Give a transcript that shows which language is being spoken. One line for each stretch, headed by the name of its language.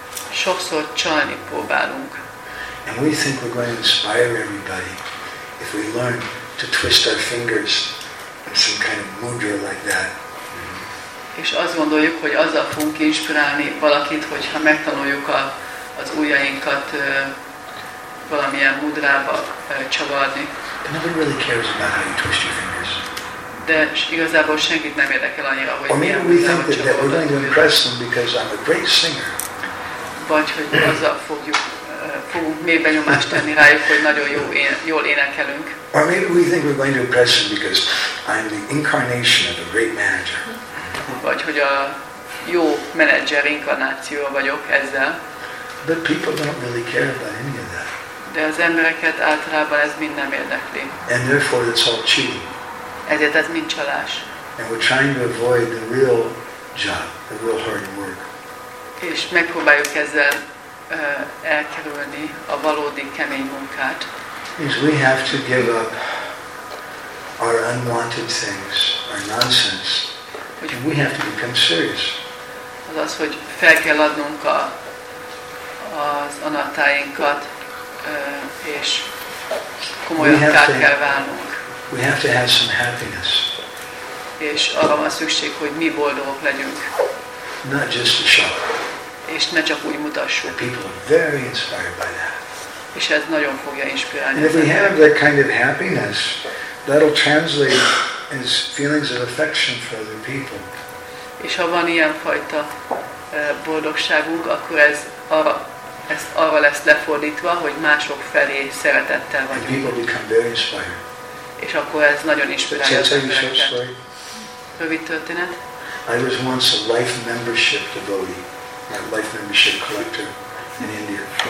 Hungarian: Sokszor csalni próbálunk.
English: And we think we're going to inspire everybody if we learn to twist our fingers in some kind of mudra like that.
Hungarian: És azt gondoljuk, hogy azzal fogunk inspirálni valakit, hogyha megtanuljuk az ujjainkat valamilyen mudrába csavarni.
English: But nobody really cares about how you twist your fingers.
Hungarian: De igazából senkit nem érdekel annyira, hogy milyen mudrába csavarni.
English: Or maybe we think that we're going to impress them because I'm a great singer.
Hungarian: Vagy hogy azzal fogunk mély benyomást tenni rájuk, hogy nagyon jól énekelünk.
English: Or maybe we think we're going to impress them because I'm the incarnation of a great manager.
Hungarian: Vagy hogy a jó menedzser inkarnáció vagyok ezzel.
English: But people don't really care about any of that.
Hungarian: De az embereket általában ez mind nem érdekli.
English: And therefore it's all cheating.
Hungarian: Ezért ez mind csalás.
English: And we're trying to avoid the real job, the real hard work.
Hungarian: És megpróbáljuk ezzel elkerülni a valódi kemény munkát.
English: Means we have to give up our unwanted things, our nonsense. And we have to become serious.
Hungarian: Az az, hogy fel kell adnunk az anatáinkat, és komolyan kell válnunk.
English: We have to have some happiness.
Hungarian: És arra van szükség, hogy mi boldogok legyünk.
English: Not just a show.
Hungarian: És ne csak úgy mutassuk.
English: People are very inspired by that.
Hungarian: És ez nagyon fogja inspirálni.
English: And if we have that kind of happiness, that'll translate is feelings of affection for other people.
Hungarian: És ha van ilyen fajta boldogságunk, akkor ez arra lesz lefordítva, hogy mások felé szeretettel vagyunk.
English: And people become very inspired.
Hungarian: És akkor ez nagyon inspirálja az embereket. Rövid történet.
English: I was once a life membership devotee, a life membership collector in India.